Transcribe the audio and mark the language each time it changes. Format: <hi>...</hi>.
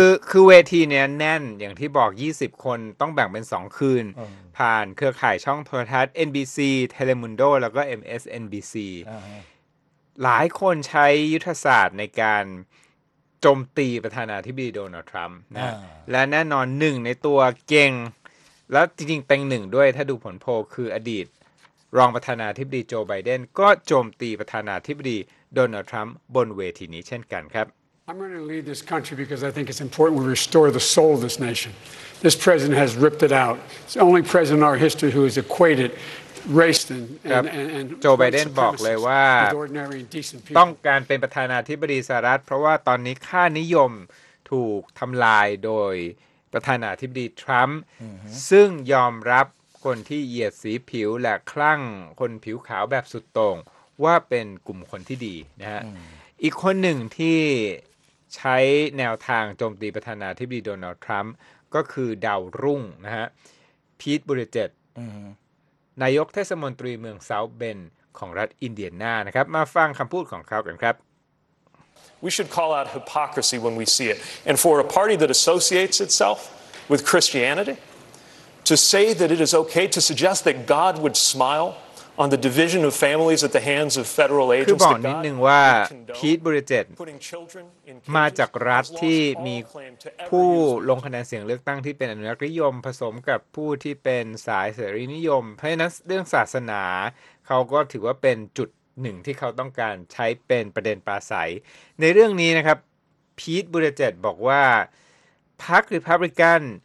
<th>คือเวทีเนี้ยแน่นอย่างที่บอก20คนต้องแบ่งเป็น2คืนผ่านเครือข่ายช่องโทรทัศน์ NBC Telemundo แล้วก็ MSNBC หลายคนใช้ยุทธศาสตร์ในการโจมตีประธานาธิบดีโดนัลด์ทรัมป์นะและแน่นอนหนึ่งในตัวเก่งและจริงๆเป็นหนึ่งด้วยถ้าดูผลโพลคืออดีตรองประธานาธิบดีโจไบเดนก็โจมตีประธานาธิบดีโดนัลด์ทรัมป์บนเวทีนี้เช่นกันครับ</th> <en>I'm going to lead this country because I think it's important we restore the soul of this nation. This president has ripped it out. It's the only president in our history who has equated race and</en> <th>โจไบเดนบอกเลยว่าต้องการเป็นประธานาธิบดีสหรัฐเพราะว่าตอนนี้ค่านิยมถูกทำลายโดยประธานาธิบดีทรัมป์ ซึ่งยอมรับคนที่เหยียดสีผิวและคลั่งคนผิวขาวแบบสุดโต่งว่าเป็นกลุ่มคนที่ดีนะฮะอีกคนหนึ่งที่ใช้แนวทางโจมตีประธานาธิบดีโดนัลด์ทรัมป์ก็คือดาวรุ่งนะฮะพีทบูริเจตนายกเทศมนตรีเมืองเซาท์เบนของรัฐอินเดียนานะครับมาฟังคำพูดของเขากันครับ</th> <en>We should call out hypocrisy when we see it and for a party that associates itself with Christianity to say that it is okay to suggest that God would smileon the division of families at the hands of federal agents</en> <th>คือบอกนิดนึงว่าพีทบูริเจตมาจากรัฐที่มีผู้ลงคะแนนเสียงเลือกตั้งที่เป็นอนุรักษนิยมผสมกับผู้ที่เป็นสายเสรีนิยมเพราะฉะนั้นเรื่องศาสนาเขาก็ถือว่าเป็นจุดหนึ่งที่เขาต้องการใช้เป็นประเด็นปราศัยในเรื่องนี้นะครับพีทบูริเจตบอกว่าพรรครีพับลิกัน</th>